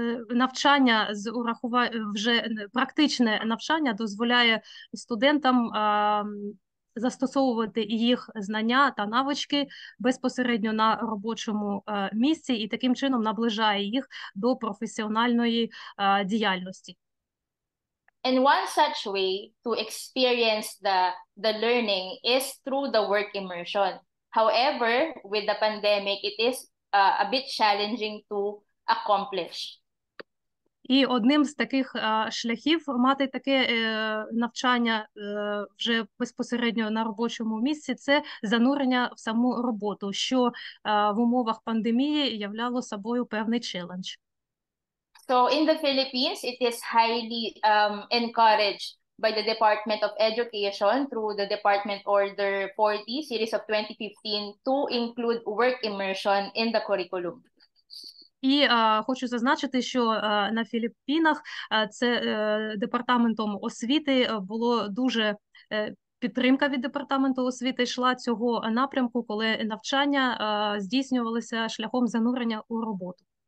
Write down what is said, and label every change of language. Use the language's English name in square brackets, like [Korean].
[Ukrainian] Навчання з вже практичне навчання дозволяє студентам застосовувати їх знання та навички безпосередньо на робочому місці і таким чином наближає їх до професіональної діяльності. [English] And one such way to experience the learning is through the work immersion. However, with the pandemic, it is a bit challenging to accomplish. [Ukrainian] І одним з таких шляхів мати таке навчання вже безпосередньо на робочому місці – це занурення в саму роботу, що в умовах пандемії являло собою певний челендж. [English] So in the Philippines, it is highly encouraged by the Department of Education through the Department Order 40, Series of 2015, to include work immersion in the curriculum. [Ukrainian] І хочу зазначити, що на Філіппінах це департаментом освіти було дуже підтримка від департаменту освіти йшла цього напрямку, коли навчання здійснювалися шляхом занурення у роботу.